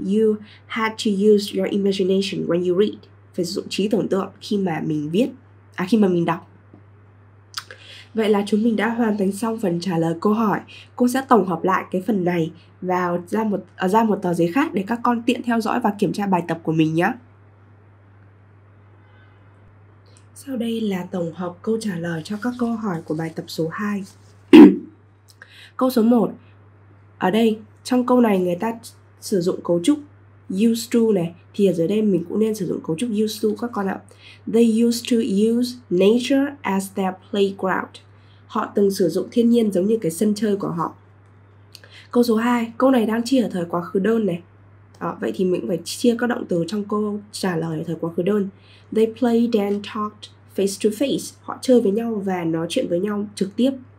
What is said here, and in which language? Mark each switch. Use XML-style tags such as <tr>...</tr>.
<en>You had to use your imagination when you read.</en> <vi>Phải sử dụng trí tưởng tượng khi mà mình viết, khi mà mình đọc. Vậy là chúng mình đã hoàn thành xong phần trả lời câu hỏi. Cô sẽ tổng hợp lại cái phần này vào ra một tờ giấy khác để các con tiện theo dõi và kiểm tra bài tập của mình nhé. Sau đây là tổng hợp câu trả lời cho các câu hỏi của bài tập số 2. Câu số 1. Ở đây, trong câu này người ta sử dụng cấu trúc used to này, thì ở dưới đây mình cũng nên sử dụng cấu trúc used to các con ạ.</vi> <en>They used to use nature as their playground.</en> <vi>Họ từng sử dụng thiên nhiên giống như cái sân chơi của họ. Câu số 2. Câu này đang chia ở thời quá khứ đơn này. Vậy thì mình phải chia các động từ trong câu trả lời ở thời quá khứ đơn.</vi> <en>They played and talked face to face.</en> <vi>Họ chơi với nhau và nói chuyện với nhau trực tiếp.</vi>